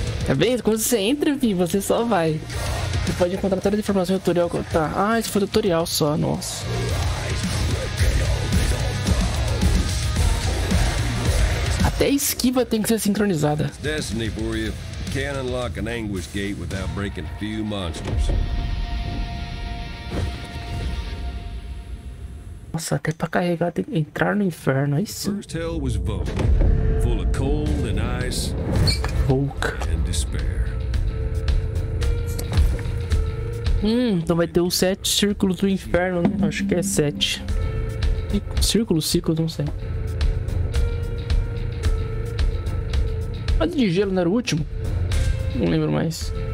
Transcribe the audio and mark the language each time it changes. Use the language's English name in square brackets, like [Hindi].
[Portuguese] É bem, quando você entra, enfim, você só vai. Você pode encontrar toda a informação no tutorial. Tá. Ah, isso foi tutorial só, nossa. Até a esquiva tem que ser sincronizada. [English] Destiny for you. Can't unlock an anguish gate without breaking a few monsters. [Portuguese] Nossa, até pra carregar tem que entrar no inferno, é isso? [English] First hell was Volk, full of cold and ice. Volk. [Portuguese] Então vai ter os 7 círculos do inferno, né? Acho que é 7. Círculo, ciclo, não sei. Mas de gelo não era o último? Não lembro mais.